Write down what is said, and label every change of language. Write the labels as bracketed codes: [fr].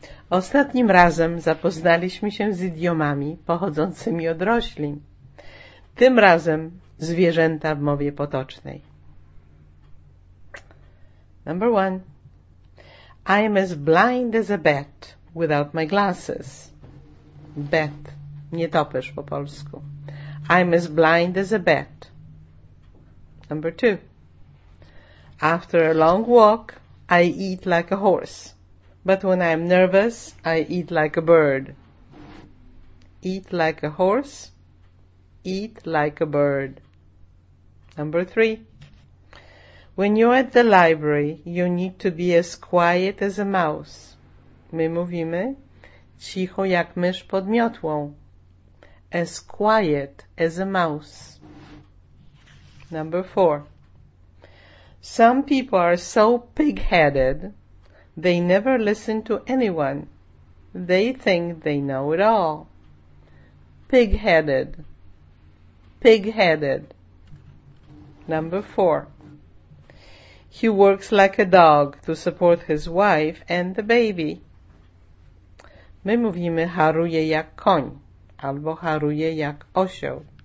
[pl] Ostatnim razem zapoznaliśmy się z idiomami pochodzącymi od roślin. Tym razem zwierzęta w mowie potocznej. [en] Number one. I am as blind as a bat without my glasses. Bat. [pl] Nietoperz po polsku. [en] I am as blind as a bat. Number two. After a long walk, I eat like a horse, but when I am nervous, I eat like a bird. Eat like a horse, eat like a bird. Number three. When you're at the library, you need to be as quiet as a mouse. [pl] My mówimy cicho jak mysz pod miotłą. [en] As quiet as a mouse. Number four. Some people are so pig-headed, they never listen to anyone. They think they know it all. Pig-headed. Pig-headed. Number four. He works like a dog to support his wife and the baby. [pl] My mówimy haruje jak koń, albo haruje jak osioł.